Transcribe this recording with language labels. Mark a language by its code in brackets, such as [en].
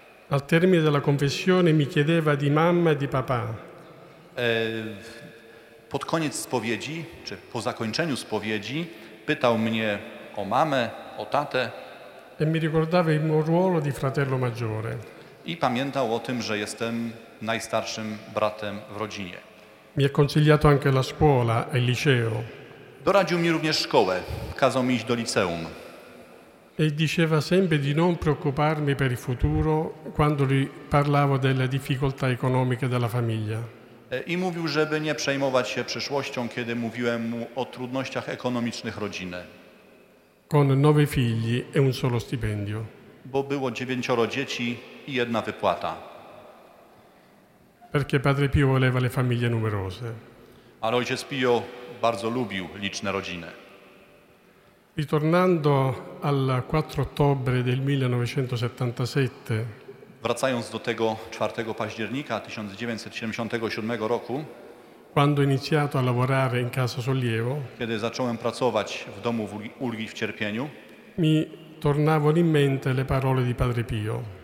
[it] Al termine della confessione mi chiedeva di mamma e di papà. [pl] Pod koniec spowiedzi, czy po zakończeniu spowiedzi, pytał mnie o mamę, o tatę. [it] E mi ricordava il mio ruolo di fratello maggiore. [pl] I pamiętał o tym, że jestem najstarszym bratem w rodzinie. [it] Mi ha consigliato anche la scuola e il liceo. [pl] Doradził mi również szkołę, kazał mi iść do liceum. [it] E diceva sempre di non preoccuparmi per il futuro quando gli parlavo delle difficoltà economiche della famiglia. [pl] I mówił, żeby nie przejmować się przyszłością, kiedy mówiłem mu o trudnościach ekonomicznych rodziny. [it] Con 9 figli e un solo stipendio. [pl] Bo było 9 dzieci i jedna wypłata. [it] Perché padre Pio voleva le famiglie numerose. [pl] Ale ojciec Pio bardzo lubił liczne rodziny. [it] Ritornando al 4 ottobre del 1977. [pl] W Wracając do tego 4 października 1977 roku, [it] quando ho iniziato a lavorare in Casa Sollievo, [pl] kiedy zacząłem pracować w domu ulgi w cierpieniu, [it] mi tornavano in mente le parole di Padre Pio.